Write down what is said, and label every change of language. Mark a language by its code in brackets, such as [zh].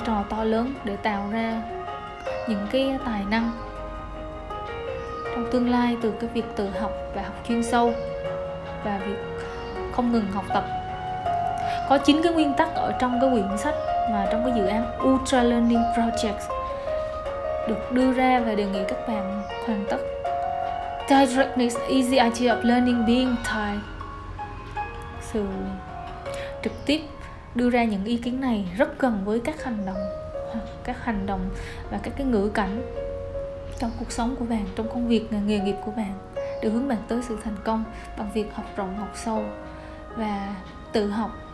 [vi] to lớn để tạo ra những cái tài năng trong tương lai từ cái việc tự học và học chuyên sâu và việc không ngừng học tập. Có 9 cái nguyên tắc ở trong cái quyển sách và trong cái dự án Ultra Learning Project được đưa ra và đề nghị các bạn hoàn tất. [en] Directness is the idea of learning being tied. [vi] Sự trực tiếp đưa ra những ý kiến này rất gần với các hành động và các cái ngữ cảnh trong cuộc sống của bạn, trong công việc nghề nghiệp của bạn, để hướng bạn tới sự thành công bằng việc học rộng, học sâu và tự học.